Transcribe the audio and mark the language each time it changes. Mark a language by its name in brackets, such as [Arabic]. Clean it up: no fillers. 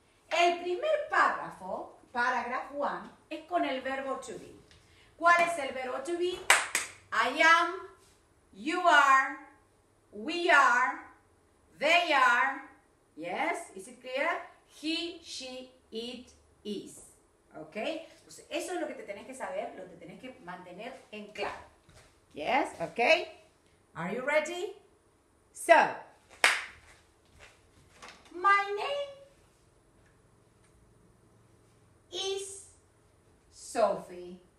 [Spanish] El primer párrafo, [English] paragraph one, [Spanish] es con el verbo to be. ¿Cuál es el verbo to be? [English] I am, you are, we are, they are, yes, is it clear? He, she, it, is. ¿Ok? [Spanish] Entonces, eso es lo que te tenés que saber, lo que tenés que mantener en claro. [English] Yes, okay. Are you ready? So, my name is Sophie.